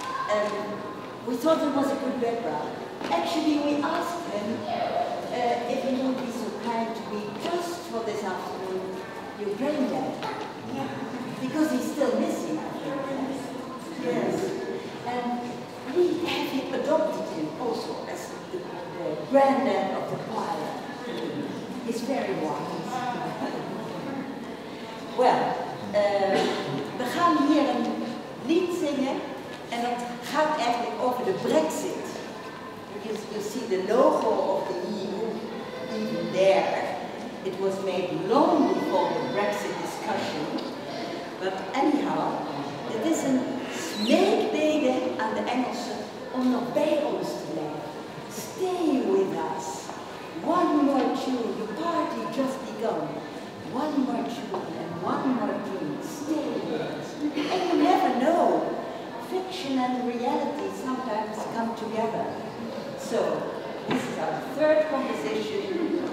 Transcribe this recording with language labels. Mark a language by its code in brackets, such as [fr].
[en] And we thought it was a good background. Actually, we asked him if he would be so kind to be just for this afternoon your brain dead. Yeah. Because he's still missing, I think. Yes. And we have adopted him also as the granddad of the choir. He's very wise. [nl] Well, we gaan hier een lied zingen en het gaat eigenlijk over de Brexit. [en] You see the logo of the EU even there. It was made long before the Brexit discussion. But anyhow, it is [nl] een smeekbede aan de Engelsen om nog bij ons te blijven. [en] Stay with us. One more tune, the party just begun. One more tune and one more tune. Stay with us. And you never know. Fiction and reality sometimes come together. So, this is our third composition.